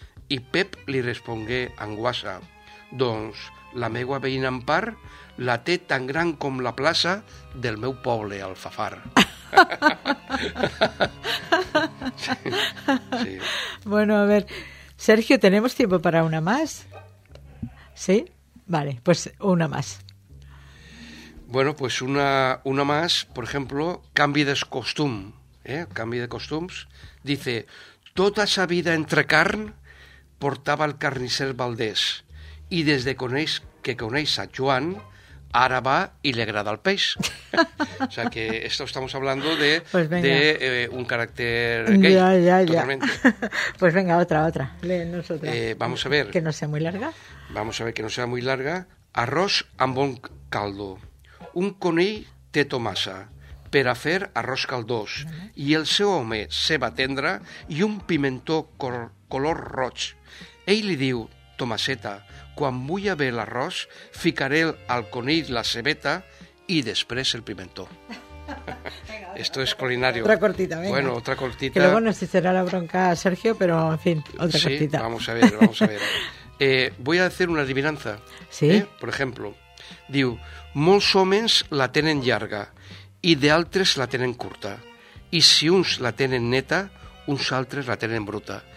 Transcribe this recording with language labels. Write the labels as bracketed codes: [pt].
[ca] I Pep li respongué en guassa, doncs la meua veïna Ampar la té tan gran com la plaça del meu poble, Alfafar. Sí. [es] Bueno, a ver, Sergio, ¿tenemos tiempo para una más? ¿Sí? Vale, pues una más. Bueno, pues una más, por ejemplo, [ca] canvi de costum, canvi de costums, [es] dice, [ca] tota sa vida entre carn portava el carnisser Valdés, i des de que coneix a Joan, ara va i li agrada el peix. [es] O sea que esto estamos hablando de, pues de un carácter gay. Ya. Pues venga, otra. Léenos otra. Vamos a ver. Que no sea muy larga. Vamos a ver que no sea muy larga. [ca] Arroz amb bon caldo. Un conill té Tomasa per a fer arròs caldós, i el seu home, ceba tendra, i un pimentó color roig. Ell li diu, Tomaseta, quan bulla bé l'arròs, ficaré al conill la cebeta i després el pimentó. [es] Esto es culinario. Otra cortita, venga. Bueno, otra cortita. Que luego nos echará la bronca a Sergio, pero en fin, otra sí, cortita. Sí, vamos a ver. Voy a hacer una adivinanza. Sí. Por ejemplo, [ca] diu, molts homes la tenen llarga i d'altres la tenen curta. I si uns la tenen neta, uns altres la tenen bruta.